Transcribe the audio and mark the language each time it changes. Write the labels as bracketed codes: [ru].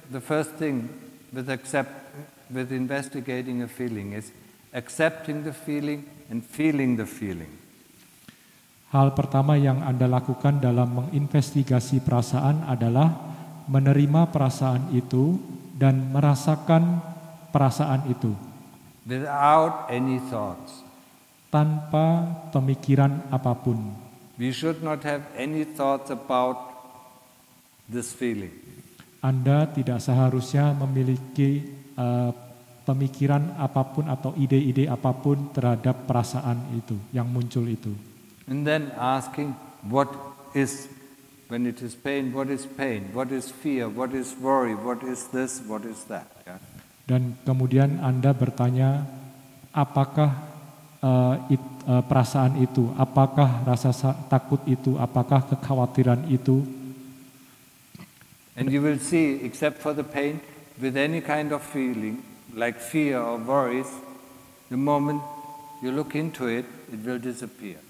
[en] The first thing with investigating a feeling is accepting the feeling and feeling the feeling. [id] Hal pertama yang Anda lakukan dalam menginvestigasi perasaan adalah menerima perasaan itu dan merasakan perasaan itu. [en] Without any thoughts. [id] Tanpa pemikiran apapun. [en] We should not have any thoughts about this feeling. [id] Anda tidak seharusnya memiliki pemikiran apapun atau ide-ide apapun terhadap perasaan itu yang muncul itu. [en] And then asking what is, when it is pain, what is pain, what is fear, what is worry, what is this, what is that. Yeah. [id] Dan kemudian Anda bertanya, apakah perasaan itu, apakah rasa takut itu, apakah kekhawatiran itu. [en] And you will see, except for the pain, with any kind of feeling, like fear or worries, the moment you look into it, it will disappear.